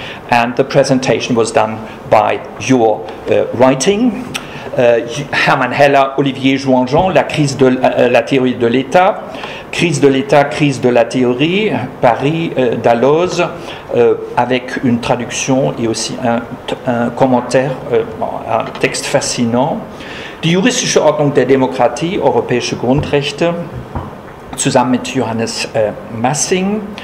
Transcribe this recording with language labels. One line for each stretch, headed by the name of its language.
English: And the presentation was done by your writing.
French: Hermann Heller, Olivier Jouanjan, La crise de la théorie de l'État, Crise de l'État, crise de la théorie, Paris, Dalloz, avec une traduction et aussi un commentaire, un texte fascinant.
German: Die juristische Ordnung der Demokratie, Europäische Grundrechte, zusammen mit Johannes Massing.